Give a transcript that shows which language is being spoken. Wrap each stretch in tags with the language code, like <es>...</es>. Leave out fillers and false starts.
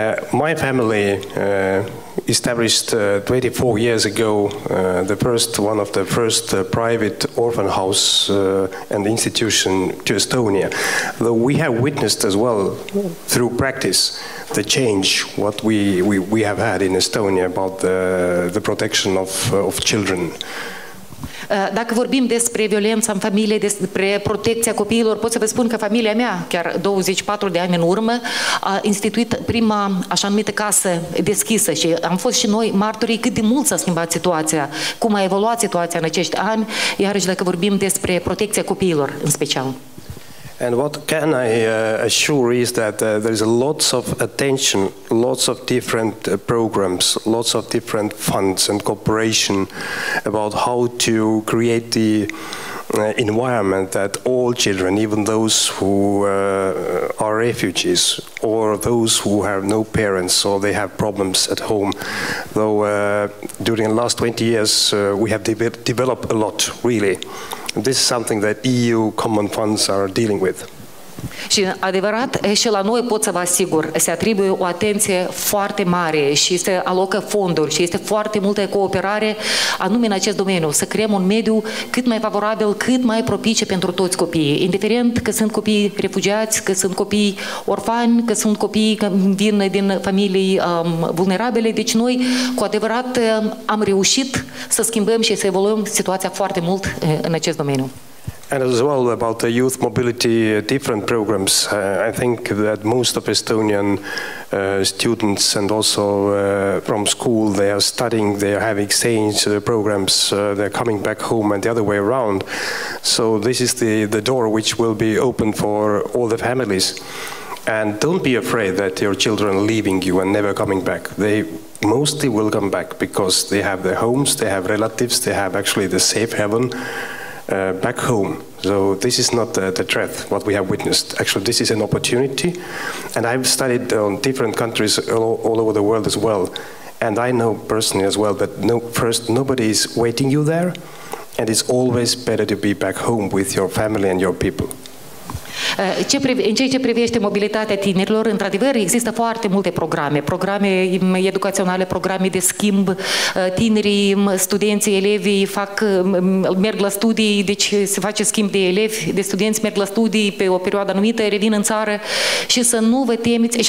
<en>My family established 24 years ago one of the first private orphan house and institution to Estonia. Though we have witnessed as well through practice the change what we have had in Estonia about the protection of children.</en> <ro>Dacă vorbim despre violența în familie, despre protecția copiilor, pot să vă spun că familia mea, chiar 24 de ani în urmă, a instituit prima așa numită casă deschisă, și am fost și noi martorii cât de mult s-a schimbat situația, cum a evoluat situația în acești ani, iarăși dacă vorbim despre protecția copiilor în special.</ro> <en>And what can I assure is that there is lots of attention, lots of different programs, lots of different funds and cooperation about how to create the environment that all children, even those who are refugees or those who have no parents or they have problems at home, though during the last 20 years we have developed a lot, really. This is something that EU common funds are dealing with.</en> <ro>Și adevărat, și la noi pot să vă asigur, se atribuie o atenție foarte mare și se alocă fonduri și este foarte multă cooperare anume în acest domeniu, să creăm un mediu cât mai favorabil, cât mai propice pentru toți copiii, indiferent că sunt copii refugiați, că sunt copii orfani, că sunt copii vin din familii vulnerabile. Deci noi, cu adevărat, am reușit să schimbăm și să evoluăm situația foarte mult în acest domeniu.</ro> <en>And as well about the youth mobility, different programs. I think that most of Estonian students and also from school, they are studying, they have exchange programs, they're coming back home and the other way around. So this is the door which will be open for all the families. And don't be afraid that your children are leaving you and never coming back. They mostly will come back because they have their homes, they have relatives, they have actually the safe haven. Back home. So this is not the threat, what we have witnessed. Actually, this is an opportunity. And I've studied on different countries all over the world as well. And I know personally as well that nobody is waiting you there. And it's always better to be back home with your family and your people.</en> <ro>În ceea ce privește mobilitatea tinerilor, într-adevăr, există foarte multe programe. Programe educaționale, programe de schimb, tinerii, studenții, elevii merg la studii, deci se face schimb de elevi, de studenți, merg la studii pe o perioadă anumită, revin în țară și să nu vă temiți.</ro>